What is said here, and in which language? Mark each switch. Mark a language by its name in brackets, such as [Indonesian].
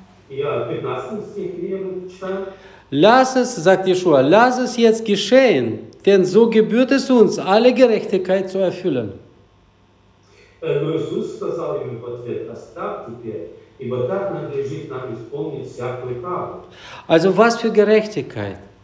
[German] Ja, 15 Stich, wie wir [Russian] читаем. [German] Lass es, sagt Jeschua, lass es jetzt geschehen, denn so gebührt es uns, alle Gerechtigkeit zu erfüllen. [Russian] Но Иисус сказал ему в ответ, оставь теперь, ибо так надлежит нам исполнить всякую правду. [German] Also was für Gerechtigkeit?